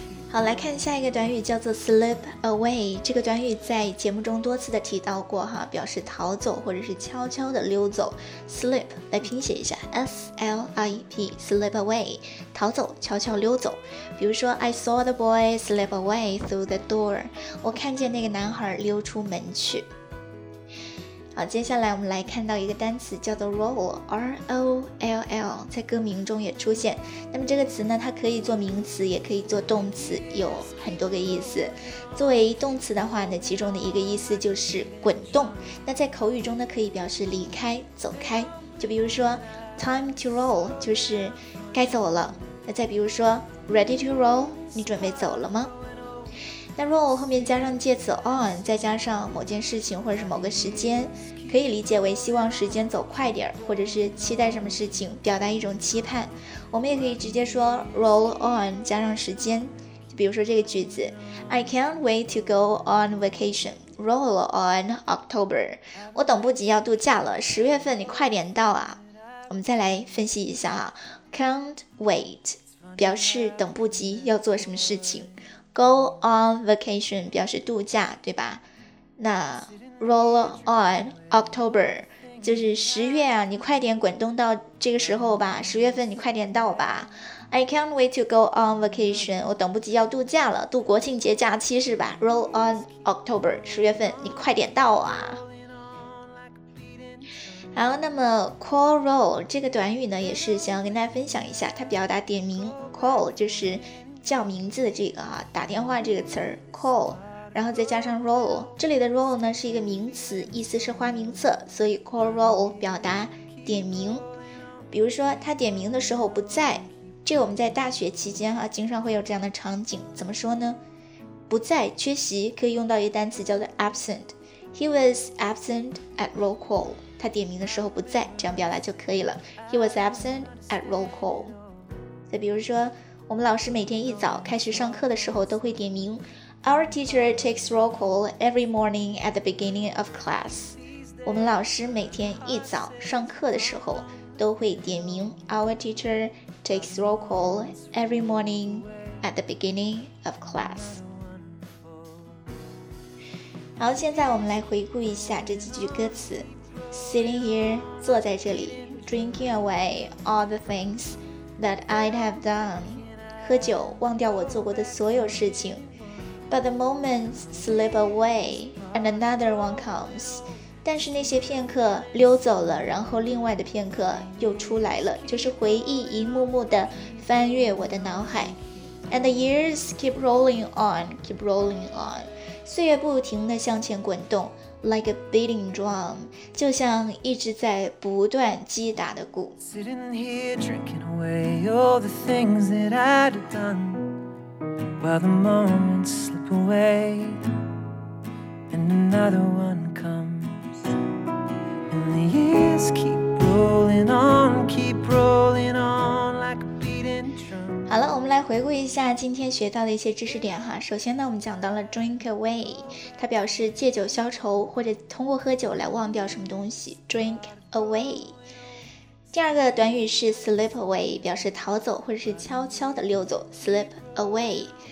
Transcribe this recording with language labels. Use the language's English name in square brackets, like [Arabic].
[Chinese] 好，来看下一个短语，叫做 slip away。这个短语在节目中多次的提到过哈，表示逃走或者是悄悄的溜走。 slip 来拼写一下 S-L-I-P slip away， 逃走，悄悄溜走。比如说 [English] I saw the boy slip away through the door， [Chinese] 我看见那个男孩溜出门去。好，接下来我们来看到一个单词，叫做 roll， R-O-L-L， 在歌名中也出现。那么这个词呢，它可以做名词，也可以做动词，有很多个意思。作为动词的话呢，其中的一个意思就是滚动。那在口语中呢，可以表示离开，走开。就比如说 [English] time to roll， [Chinese] 就是该走了。那再比如说 [English] ready to roll， [Chinese] 你准备走了吗？那 roll 后面加上介词 on， 再加上某件事情或者是某个时间，可以理解为希望时间走快点，或者是期待什么事情，表达一种期盼。我们也可以直接说 roll on 加上时间，就比如说这个句子， [English] I can't wait to go on vacation, roll on October. [Chinese] 我等不及要度假了，十月份你快点到啊。我们再来分析一下啊， can't wait 表示等不及要做什么事情，Go on vacation 表示度假，对吧？那 roll on October 就是十月啊，你快点滚动到这个时候吧，十月份你快点到吧。 [English] I can't wait to go on vacation， [Chinese] 我等不及要度假了，度国庆节假期是吧？ [English] roll on October， [Chinese] 十月份你快点到啊。好，那么 call roll 这个短语呢，也是想要跟大家分享一下，它表达点名 call 就是叫名字的这个啊，打电话这个词 call， 然后再加上 roll， 这里的 roll 呢是一个名词，意思是花名册，所以 call roll 表达点名。比如说他点名的时候不在，这个我们在大学期间啊，经常会有这样的场景，怎么说呢？不在，缺席，可以用到一个单词叫做 absent。 [English] He was absent at roll call， [Chinese] 他点名的时候不在，这样表达就可以了。 [English] He was absent at roll call。 [Chinese] 再比如说我们老师每天一早开始上课的时候都会点名， [English] Our teacher takes roll call every morning at the beginning of class。 [Chinese] 我们老师每天一早上课的时候都会点名， [English] Our teacher takes roll call every morning at the beginning of class。 [Chinese] 好，现在我们来回顾一下这几句歌词。 Sitting here， 坐在这里， [English] Drinking away all the things that I'd have done， [Chinese] 喝酒，忘掉我做过的所有事情。 [English] But the moments slip away and another one comes， [Chinese] 但是那些片刻溜走了，然后另外的片刻又出来了，就是回忆一幕幕的翻越我的脑海。 [English] And the years keep rolling on, keep rolling on， [Chinese] 岁月不停地向前滚动， [English] Like a beating drum， [Chinese] 就像一直在不断击打的鼓。 [English] Sitting here drinking away all the things that I'd done while the moments slip away and another one comesKeep rolling on, keep rolling on, like、beating drum. [Chinese] 好了，我们来回顾一下今天学到的一些知识点哈。首先呢，我们讲到了 drink away， 它表示借酒消愁或者通过喝酒来忘掉什么东西， drink away。第二个短语是 slip away， 表示逃走或者是悄悄的溜走， slip away。